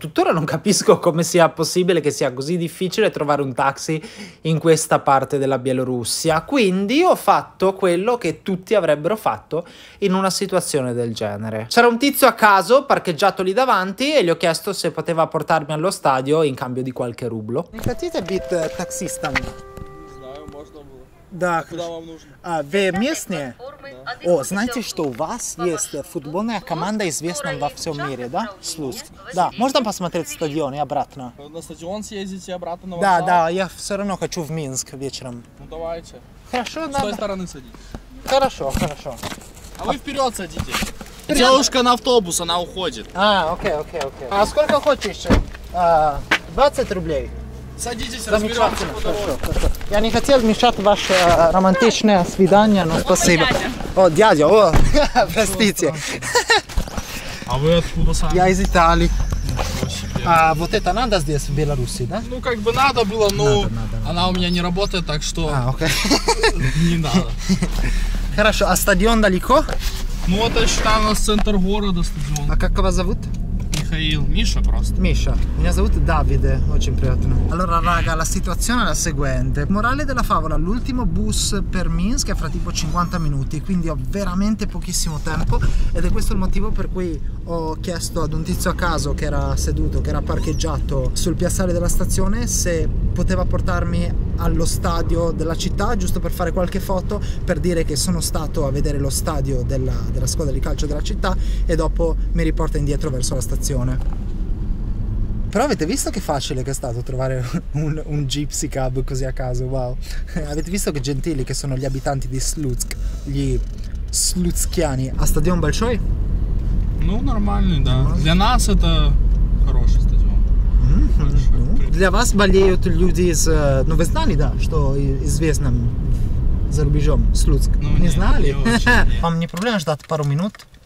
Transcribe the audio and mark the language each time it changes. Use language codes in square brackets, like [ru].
[it] Tuttora non capisco come sia possibile che sia così difficile trovare un taxi in questa parte della Bielorussia. Quindi ho fatto quello che tutti avrebbero fatto in una situazione del genere. C'era un tizio a caso parcheggiato lì davanti e gli ho chiesto se poteva portarmi allo stadio in cambio di qualche rublo. Mi capite bit taxista? Non so, [ru] da куда вам нужно? А, в О, знаете, что у вас есть футбольная команда известна во всём мире, да? Слуцк. Да, можно посмотреть стадион и обратно. На стадион съездить и обратно на вокзал? Да, я всё равно хочу в Минск вечером. Ну давайте. Хорошо, с той стороны садитесь. Хорошо, хорошо. А вы вперёд садитесь. Девушка на автобус, она уходит. А, окей, окей, окей. А сколько хочешь? 20 рублей. Садитесь, разберемся. Хорошо. Я не хотел мешать ваше романтичное свидание, но спасибо. О, дядя, о, простите. А вы откуда сами? Я из Италии. А вот это надо здесь, в Беларуси, да? Ну, как бы надо было, но она у меня не работает, так что... А, окей. Не надо. Хорошо, а стадион далеко? Ну это считай у нас центр города, стадион. А как вас зовут? Михаил, Миша просто. Миша, меня зовут Давиде, очень приятно. [it] Allora, raga, la situazione è la seguente. Morale della favola, l'ultimo bus per Minsk è fra tipo 50 minuti, quindi ho veramente pochissimo tempo ed è questo il motivo per cui ho chiesto ad un tizio a caso che era seduto, che era parcheggiato sul piazzale della stazione, se poteva portarmi allo stadio della città, giusto per fare qualche foto, per dire che sono stato a vedere lo stadio della squadra di calcio della città e dopo mi riporta indietro verso la stazione. Però avete visto che facile che è stato trovare un gypsy cab così a caso, wow. Avete visto che gentili che sono gli abitanti di Slutsk, gli slutskiani. [ru] A stadion Balshoi? Ну, нормальный, да. Для нас это хороший стадион. Для вас болеют люди из... Ну, вы знали, да, что известным за рубежом Слуцк? Ну, не знали? Не очень. Вам не проблема ждать пару минут?